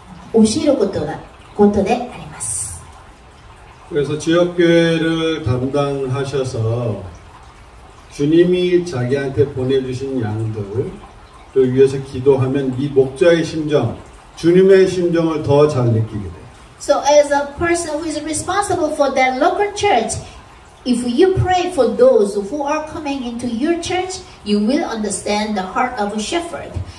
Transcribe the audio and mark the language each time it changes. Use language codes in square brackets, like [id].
[ja] 一番早く習うことは教えることであります。 [ko] 그래서 지역교회를 담당하셔서 주님이 자기한테 보내주신 양들을 위해서 기도하면 이 목자의 심정, 주님의 심정을 더 잘 느끼게 돼요. [en] So as a person who is responsible for that local church, if you pray for those who are coming into your church, you will understand the heart of a shepherd.